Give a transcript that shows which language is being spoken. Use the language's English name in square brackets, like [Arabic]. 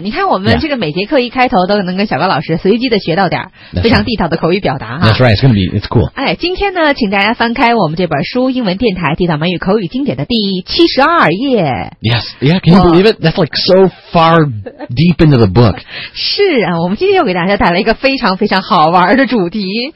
[Chinese] 你看我们这个每节课一开头都能跟小高老师随机的学到点非常地道的口语表达。 [English] That's right, it's gonna be, it's cool. [Chinese] 今天呢，请大家翻开我们这本书《英文电台地道美语口语经典》的第72页。 [English] Yes, yeah, can you believe it? That's like so far deep into the book. [Chinese] 是啊，我们今天又给大家带来一个非常非常好玩的主题。